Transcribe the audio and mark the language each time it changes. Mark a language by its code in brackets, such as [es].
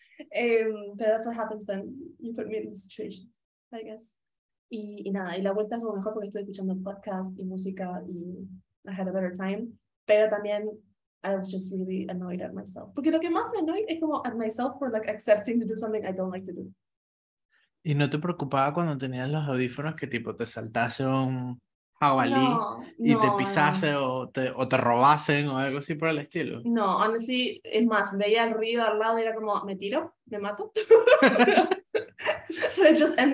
[en] Pero that's what happens when you put me in these situations, I guess. [es] Y nada, y la vuelta es lo mejor porque estuve escuchando podcast y música y [en] I had a better time. [es] Pero también, [en] I was just really annoyed at myself. [es] Porque lo que más me annoyed es como [en] at myself for like accepting to do something I don't like to do. [es] ¿Y no te preocupaba cuando tenías los audífonos que tipo te saltase un jabalí No, y te no, no. pisase o te robasen o algo así por el estilo? No, honestly, es más, veía el río al lado y era como, ¿me tiro? ¿Me mato? [en] ¿Should I just end